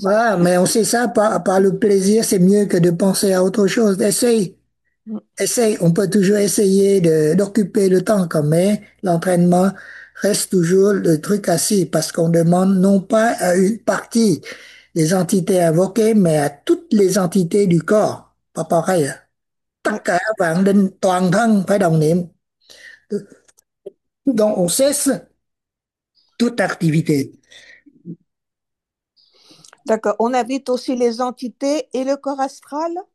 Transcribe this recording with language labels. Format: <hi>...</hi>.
<fr>Voilà, mais on sait ça, par le plaisir, c'est mieux que de penser à autre chose. Essaye. Essaye. On peut toujours essayer d'occuper le temps quand même. L'entraînement reste toujours le truc assis parce qu'on demande non pas à une partie des entités invoquées, mais à toutes les entités du corps. Pas pareil.</fr> <vi>Tất cả vạn linh toàn thân phải đồng niệm.</vi> <fr>Donc, on cesse toute activité. D'accord. On invite aussi les entités et le corps astral.</fr>